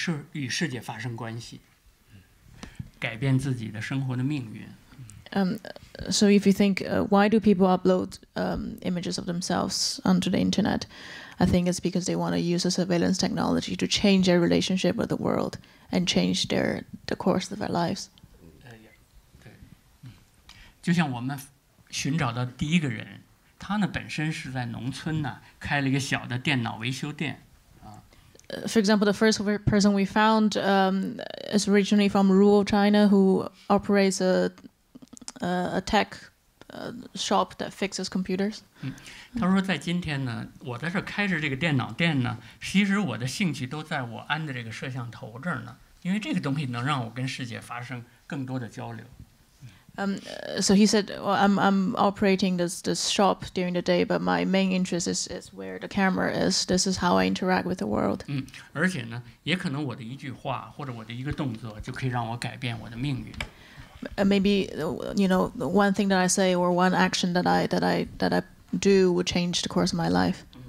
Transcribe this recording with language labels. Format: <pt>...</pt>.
<zh>与世界发生关系, 改变自己的生活的命运。</zh> <en>So if you think, why do people upload images of themselves onto the internet? I think it's because they want to use a surveillance technology to change their relationship with the world and change their the course of their lives.</en> <zh>就像我们寻找到第一个人, 他呢本身是在农村呢, 开了一个小的电脑维修店。</zh> <en>For example, the first person we found is originally from rural China who operates a tech shop that fixes computers.</en> <zh>他说在今天呢, 我在这开着这个电脑店呢, 其实我的兴趣都在我安的这个摄像头这儿呢, 因为这个东西能让我跟世界发生更多的交流。</zh> <en>So he said, well, I'm operating this shop during the day, but my main interest is where the camera is. This is how I interact with the world.</en> <zh>而且呢，也可能我的一句话或者我的一个动作就可以让我改变我的命运。</zh> <en>Maybe you know one thing that I say or one action that I do would change the course of my life.</en>